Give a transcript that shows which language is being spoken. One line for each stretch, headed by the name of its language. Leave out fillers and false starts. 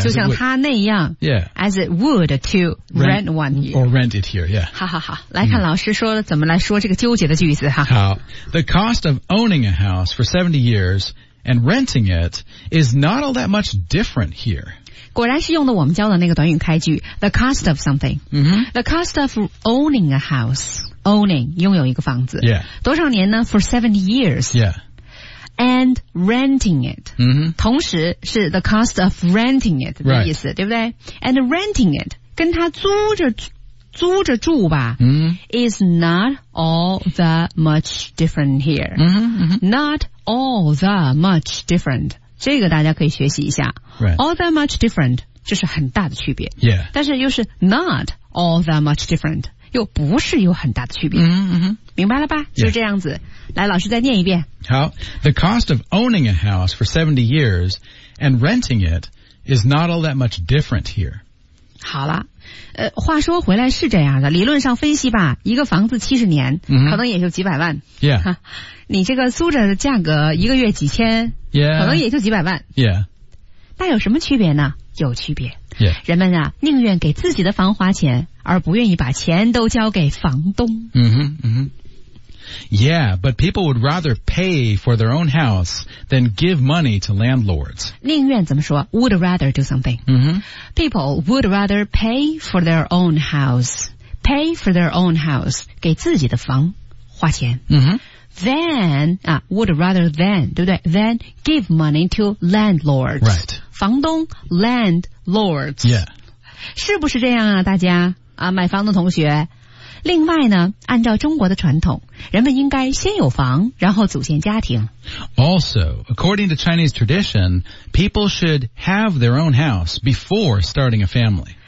Chinese: 就像他那样,
English: as it would to rent one here. Or rent it here, yeah.
Chinese: 哈哈哈,来看老师说了怎么来说这个纠结的句子哈。
English: 好, the cost of owning a house for 70 years and renting it is not all that much different here.
Chinese: 果然是用的我们教的那个短语开句,
English: the cost of something. Mm-hmm. The cost of owning a house. Owning,
Chinese: 拥有一个房子. Yeah. 多少年呢?
English: For 70 years. Yeah. And renting it. Mm-hmm.
Chinese: 同时是
English: the cost of renting it.
Chinese: 的意思, right. 对不对?
English: And renting it,
Chinese: 跟他租着住吧, mm-hmm.
English: is not all that much different here. Mm-hmm. Mm-hmm. Not all that much different.
Chinese: 这个大家可以学习一下 right.
English: All that much different
Chinese: 这是很大的区别 yeah. 但是又是
English: not all that much different
Chinese: 又不是有很大的区别。嗯嗯哼。明白了吧？就这样子。 Yeah. 来，老师再念一遍。好。 The cost of owning a house for 70 years and renting it is not all that much different here. 好了。话说回来是这样的，理论上分析吧，一个房子70年、 mm-hmm. 可能也就几百万。 Yeah. 你这个租着的价格一个月几千、 yeah. 可能也就几百万。 Yeah. 那有什么区别呢？有区别。 Yeah. 人们啊宁愿给自己的房花钱，而不愿意把钱都交给房东。嗯哼嗯哼。
English: Yeah, but people would rather pay for their own house than give money to landlords.
Chinese: 宁愿怎么说 ?
English: would rather do something.、 Mm-hmm. People would rather pay for their own house. Pay for their own house.
Chinese: 给自己的房花钱。 Mm-hmm.
English: Than, would rather than,
Chinese: 对不对
English: ?than give money to landlords. Right.
Chinese: 房东 landlords. Yeah. 是不是这样啊大家啊买房的同学。另外呢，按照中国的传统，人们应该先有房，然后组建家庭。
English: Also, according to Chinese tradition, people should have their own house before starting a family.